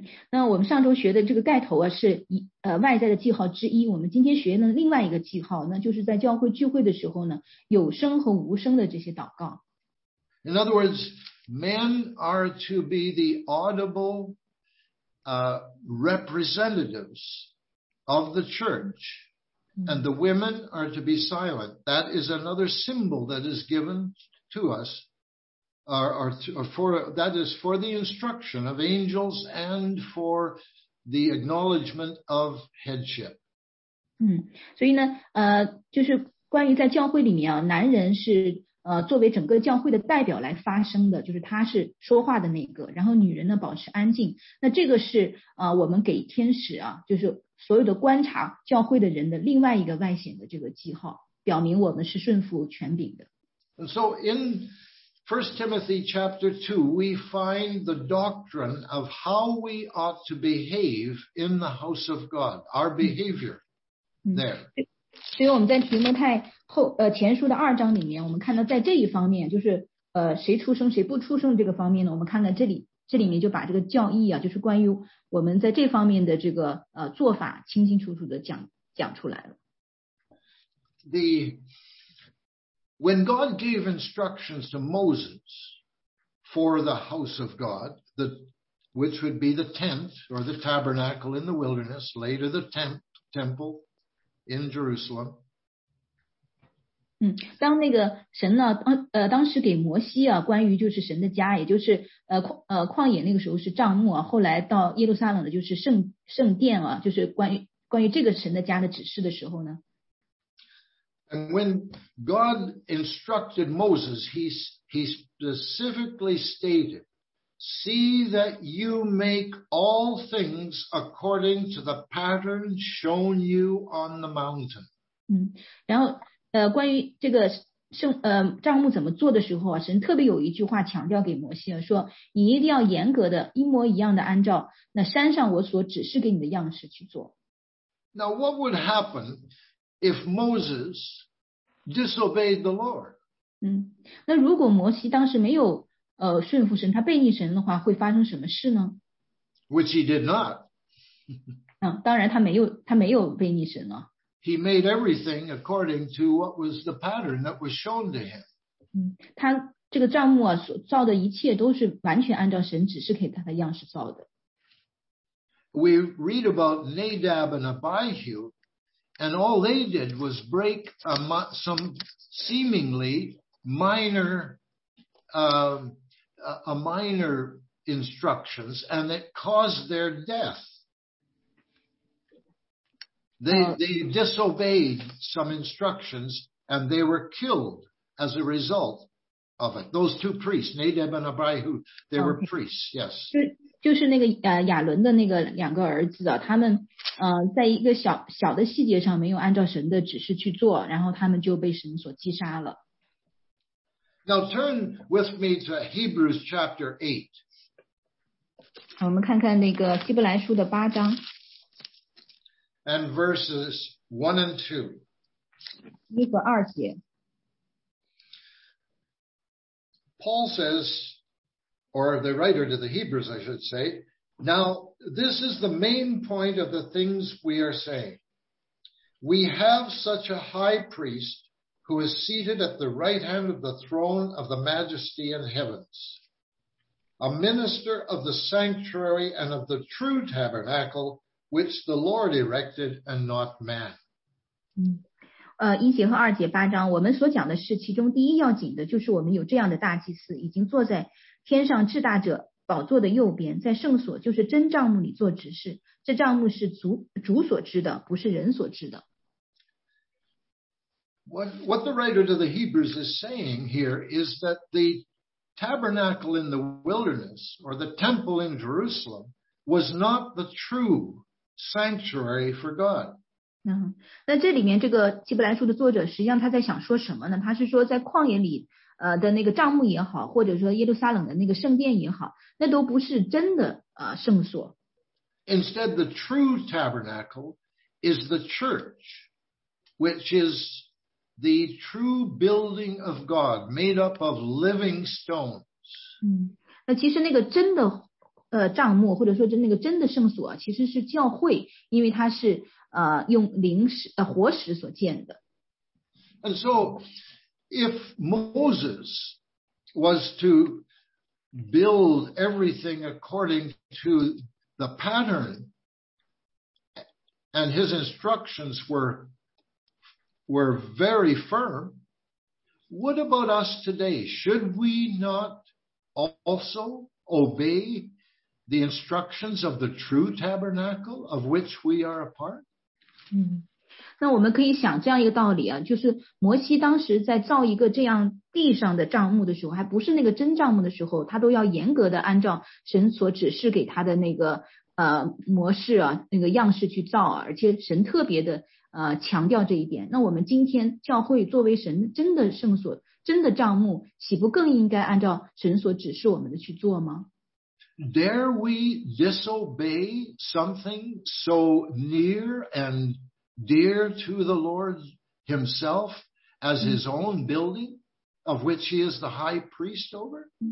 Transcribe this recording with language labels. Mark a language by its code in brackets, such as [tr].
[zh] 那我们上周学的这个盖头啊，是外在的记号之一。我们今天学的另外一个记号，那就是在教会聚会的时候呢，有声和无声的这些祷告。 [en] In other words, men are to be the audible representatives of the church, and the women are to be silent. That is another symbol that is given to us, that is for the instruction of angels and for the acknowledgement of headship. [zh] 所以呢，就是关于在教会里面啊，男人是作为整个教会的代表来发声的，就是他是说话的那个，然后女人呢保持安静。那这个是我们给天使啊，就是所有的观察教会的人的另外一个外显的这个记号，表明我们是顺服权柄的。 [en] And so in 1 Timothy chapter 2, we find the doctrine of how we ought to behave in the house of God, our behavior there. [zh] 所以我们在提摩太后前书的二章里面，我们看到在这一方面，就是谁出生谁不出生这个方面呢，我们看看这里面就把这个教义啊，就是关于我们在这方面的这个做法清清楚楚的讲出来了。 [en] When God gave instructions to Moses for the house of God, which would be the tent or the tabernacle in the wilderness, later the temple. In Jerusalem. [zh] 当那个神呢当时给摩西啊关于就是神的家，也就是旷野那个时候是帐幕啊，后来到耶路撒冷的就是圣殿啊，就是关于这个神的家的指示的时候呢。 [en] And when God instructed Moses, he specifically stated, "See that you make all things according to the pattern shown you on the mountain." [zh] 然后关于这个帐幕怎么做的时候啊，神特别有一句话强调给摩西啊，说你一定要严格的一模一样的按照那山上我所指示给你的样式去做。 [en] Now, what would happen if Moses disobeyed the Lord? [zh] 那如果摩西当时没有顺服神，他背逆神的话，会发生什么事呢？ [en] Which he did not. [zh] 当然他没有背逆神了。 [en] He made everything according to what was the pattern that was shown to him. [zh] 他这个帐幕啊，所造的一切都是完全按照神指示给他的样式造的。 [en] We read about Nadab and Abihu, and all they did was break some seemingly minor. A minor instructions, and it caused their death. They disobeyed some instructions, and they were killed as a result of it. Those two priests, Nadab and Abihu, they were priests. Yes. [zh] 就是那个亚伦的那个两个儿子啊，他们在一个小的细节上没有按照神的指示去做，然后他们就被神所击杀了。 [en] Now turn with me to Hebrews chapter 8. [zh] 我们看看那个希伯来书的八章。 [en] And verses 1 and 2. [zh] 一和二节。 [en] Paul says, or the writer to the Hebrews, I should say, now this is the main point of the things we are saying. We have such a high priest,who is seated at the right hand of the throne of the majesty in heavens, a minister of the sanctuary and of the true tabernacle, which the Lord erected and not man. [zh] 一节和二节八章，我们所讲的是其中第一要紧的，就是我们有这样的大祭司，已经坐在天上至大者宝座的右边，在圣所就是真帐幕里做执事，这帐幕是主所知的，不是人所知的。 [en] What the writer to the Hebrews is saying here is that the tabernacle in the wilderness or the temple in Jerusalem was not the true sanctuary for God. [zh] 那这里面这个希伯来书的作者实际上他在想说什么呢？他是说在旷野里的那个帐幕也好，或者说耶路撒冷的那个圣殿也好，那都不是真的圣所。 [en] Instead, the true tabernacle is the church, which is the true building of God, made up of living stones. [zh] 那其实那个真的帐幕，或者说那个真的圣所，其实是教会，因为它是用灵石活石所建的。 [en] And so, if Moses was to build everything according to the pattern, and his instructions were very firm, what about us today? Should we not also obey the instructions of the true tabernacle of which we are a part? [zh] 那我们可以想这样一个道理啊，就是摩西当时在造一个这样地上的帐幕的时候，还不是那个真帐幕的时候，他都要严格的按照神所指示给他的那个模式啊，那个样式去造，而且神特别的强调这一点。那我们今天教会作为神真的圣所、真的帐幕，岂不更应该按照神所指示我们的去做吗？ [en] Dare we disobey something so near and dear to the Lord himself as his own building of which he is the high priest over?